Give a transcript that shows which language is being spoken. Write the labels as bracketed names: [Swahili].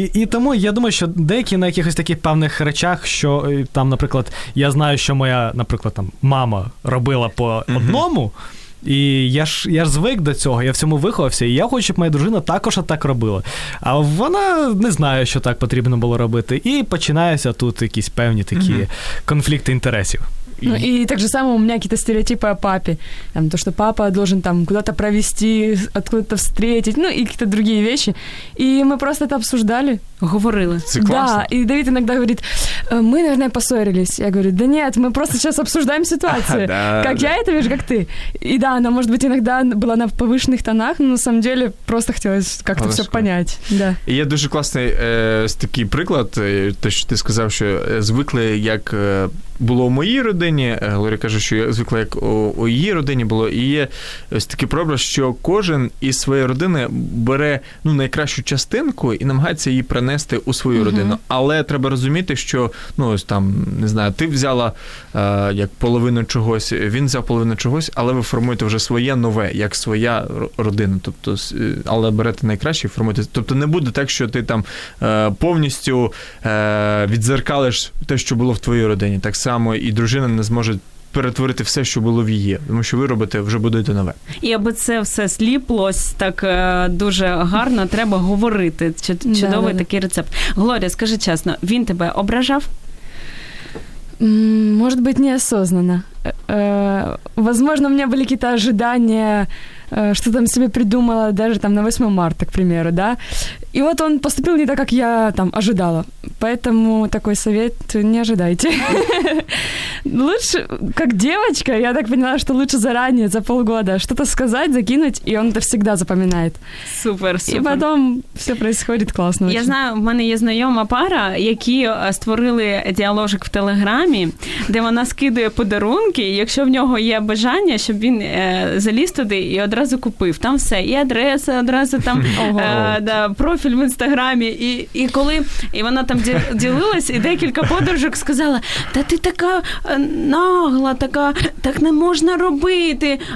[Ukrainian] І тому я думаю, що деякі на якихось таких певних речах, що там, наприклад, я знаю, що моя, наприклад, там мама робила по одному, і я ж звик до цього, я в цьому виховався, і я хочу, щоб моя дружина також так робила. А вона не знає, що так потрібно було робити. І починаються тут якісь певні такі конфлікти інтересів. [Russian] Ну, и так же самое у меня какие-то стереотипы о папе. Там, то, что папа должен там куда-то провести, откуда-то встретить, ну, и какие-то другие вещи. И мы просто это обсуждали. Говорили. Это классно. Да, и Давид иногда говорит, мы, наверное, поссорились. Я говорю, да нет, мы просто сейчас обсуждаем ситуацию. Как я это вижу, как ты. И да, она, может быть, иногда была на повышенных тонах, но на самом деле просто хотелось как-то все понять. Да. [Ukrainian] І є дуже класний такий приклад, те, що ти сказав, що звикли, як було у моїй родині, Глорія каже, що звикли, як у її родині було, і є ось такий проблем, що кожен із своєї родини бере ну, найкращу частинку і намагається її принести у свою родину. Але треба розуміти, що ну, ось там, не знаю, ти взяла як половину чогось, він взяв половину чогось, але ви формуєте вже своє нове, як своя родина. Тобто, але берете найкраще і формуєте. Тобто не буде так, що ти там повністю відзеркалиш те, що було в твоїй родині. Так само і дружина не зможе перетворити все, що було в її. Тому що ви робите, вже будете нове. І аби це все сліплось так дуже гарно, треба говорити. Чудовий такий рецепт. Глорія, скажи чесно, він тебе ображав? [Russian] Может быть, неосознанно. Возможно, у меня были какие-то ожидания, что там себе придумала, даже там на 8 марта, к примеру, да. И вот он поступил не так, как я там ожидала. Поэтому такой совет не ожидайте. Лучше, как девочка, я так поняла, что лучше заранее, за полгода, что-то сказать, закинуть, и он это всегда запоминает. Супер, супер. И потом все происходит классно. Я знаю, у меня есть знакомая пара, которые [Ukrainian] створили [Russian] диалогик в Телеграме, где она скидывает [Ukrainian] подарунки. Якщо в нього є бажання, щоб він заліз туди і одразу купив. Там все. І адреса одразу там, да, профіль в Інстаграмі. І коли і вона там ділилась, і декілька подружок сказала, та ти така нагла, така, так не можна робити.